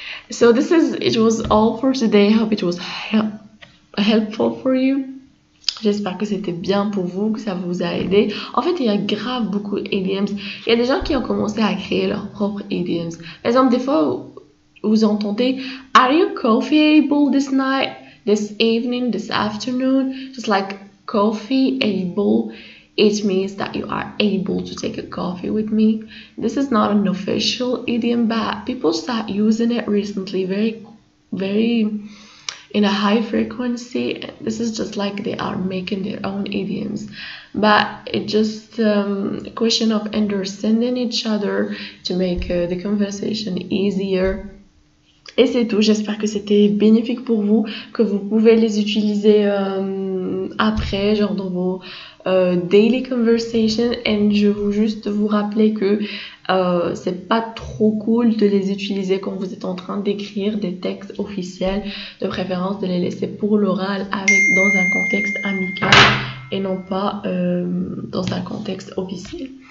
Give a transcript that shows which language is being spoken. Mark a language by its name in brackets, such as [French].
[English] So, this is it was all for today. I hope it was helpful for you. [French] J'espère que c'était bien pour vous, que ça vous a aidé. En fait, il y a grave beaucoup d'idioms. Il y a des gens qui ont commencé à créer leurs propres idioms. Par exemple, des fois, vous entendez [English] Are you coffee-able this night? This evening, this afternoon, just like coffee able, it means that you are able to take a coffee with me. This is not an official idiom, but people start using it recently, very, very in a high frequency. This is just like they are making their own idioms, but it's just a question of understanding each other to make the conversation easier. [French] Et c'est tout, j'espère que c'était bénéfique pour vous, que vous pouvez les utiliser après, genre dans vos [English] daily conversations. [French] Et je veux juste vous rappeler que c'est pas trop cool de les utiliser quand vous êtes en train d'écrire des textes officiels, de préférence de les laisser pour l'oral avec dans un contexte amical et non pas dans un contexte officiel.